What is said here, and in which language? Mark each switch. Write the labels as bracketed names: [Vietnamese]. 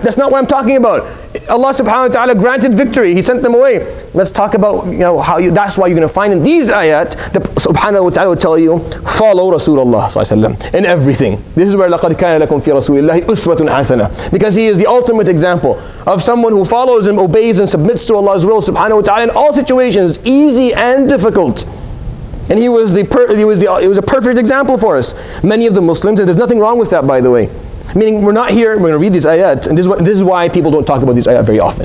[English] That's not what I'm talking about. Allah subhanahu wa ta'ala granted victory. He sent them away. Let's talk about that's why you're going to find in these ayat, the subhanahu wa ta'ala will tell you, follow Rasulullah sallallahu alayhi wa sallam in everything. This is where [Arabic] لَقَدْ كَانَ لَكُمْ فِي رَسُولِ اللَّهِ أُسْوَةٌ حَسَنَةٌ. [English] Because he is the ultimate example of someone who follows and obeys and submits to Allah's will subhanahu wa ta'ala in all situations, easy and difficult. And he was a perfect example for us. Many of the Muslims, and there's nothing wrong with that, by the way. Meaning, we're not here, we're going to read these ayat, and this is why people don't talk about these ayat very often.